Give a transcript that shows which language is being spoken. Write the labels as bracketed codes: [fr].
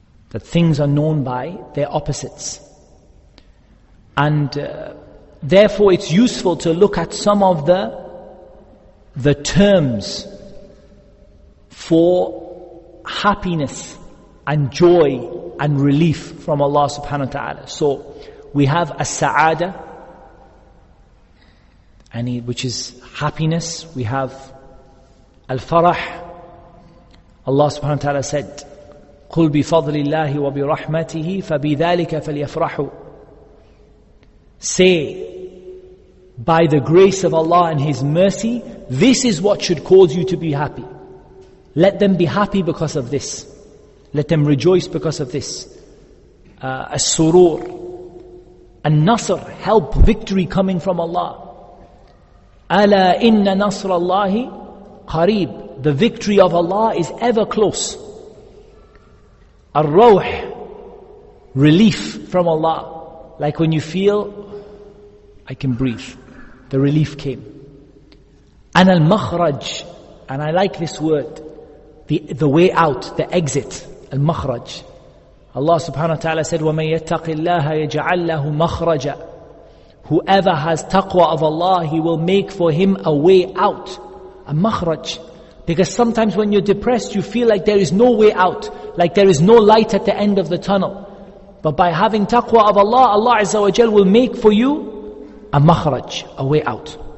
[en] That things are known by their opposites. And therefore it's useful to look at some of the terms for happiness and joy and relief from Allah subhanahu wa ta'ala. So we have as-sa'ada, which is happiness. We have al-farah. [ar] Allah subhanahu wa ta'ala said, قُلْ بِفَضْلِ اللَّهِ وَبِرَحْمَتِهِ فَبِذَٰلِكَ فَلْيَفْرَحُ. [en] Say, by the grace of Allah and His mercy, this is what should cause you to be happy. Let them be happy because of this. Let them rejoice because of this. As-surur. An-nasr, help, victory coming from Allah. [ar] أَلَا إِنَّ نَصْرَ اللَّهِ قَرِيبٌ. [en] The victory of Allah is ever close. Ar-rawh, relief from Allah. Like when you feel, I can breathe. The relief came. And al-makhraj, and I like this word, the way out, the exit, al-makhraj. [ar] Allah subhanahu wa ta'ala said, وَمَنْ يَتَّقِ اللَّهَ يَجْعَلْ لَهُ مَخْرَجًا. [en] Whoever has taqwa of Allah, He will make for him a way out. A makhraj. Because sometimes when you're depressed, you feel like there is no way out, like there is no light at the end of the tunnel. But by having taqwa of Allah, Allah Azza wa Jal will make for you a makhraj, a way out.